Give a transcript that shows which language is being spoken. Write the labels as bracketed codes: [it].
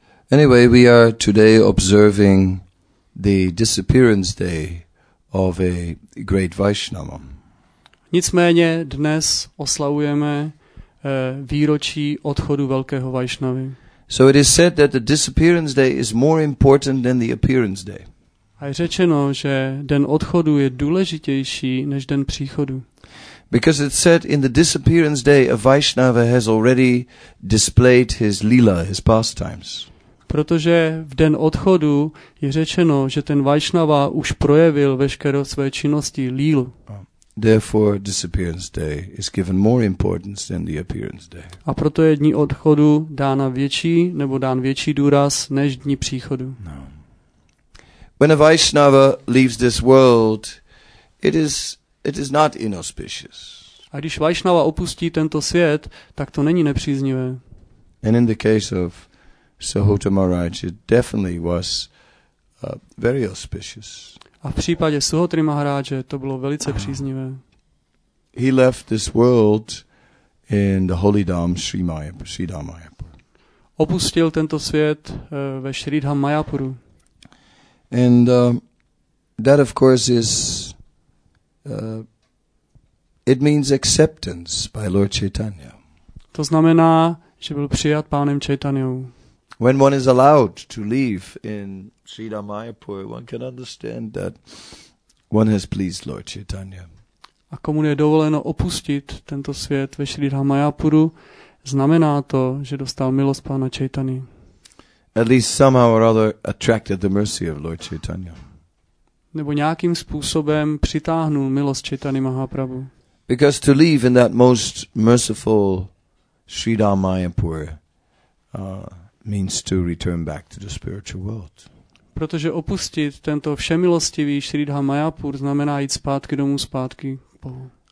[en] Anyway, we are today observing the disappearance day of a great Vaishnava. [cs] Nicméně dnes oslavujeme výročí odchodu velkého Vaishnavy. [en] So it is said that the disappearance day is more important than the appearance day. [cs] A je řečeno, že den odchodu je důležitější než den příchodu. [en] Because it's said in the disappearance day a Vaishnava has already displayed his lila, his pastimes. [cs] Protože v den odchodu je řečeno, že ten Vaishnava už projevil veškeré své činnosti lílu. [en] Therefore disappearance day is given more importance than the appearance day. [cs] A proto je dní odchodu dán větší důraz než dní příchodu. [en] When a Vaishnava leaves this world, it is not inauspicious. [cs] A když Vaishnava opustí tento svět, tak to není nepříznivé. [en] And in the case of Suhota Maharaj, it definitely was very auspicious. [cs] A v případě Suhoty Maharaje to bylo velice příznivé. [en] He left this world in the holy dham Sridhamayapur. [cs] Opustil tento svět ve Sridhamayapuru. [en] And that of course is it means acceptance by Lord Chaitanya. [cs] To znamená, že byl přijat pánem Chaitanyou. [en] When one is allowed to leave in Sridhamayapur, one can understand that one has pleased Lord Chaitanya. [cs] A komu je dovoleno opustit tento svět ve Sridhamayapuru, znamená to, že dostal milost pána Chaitany. [en] At least somehow or other attracted the mercy of Lord Chaitanya. [cs] Nebo nějakým způsobem přitáhnul milost Chaitany Mahaprabhu. [en] Because to live in that most merciful Sridhamayapur means to return back to the spiritual world. [cs] Protože opustit tento všemilostivý Sridhamayapur znamená jít zpátky domů, zpátky k Bohu.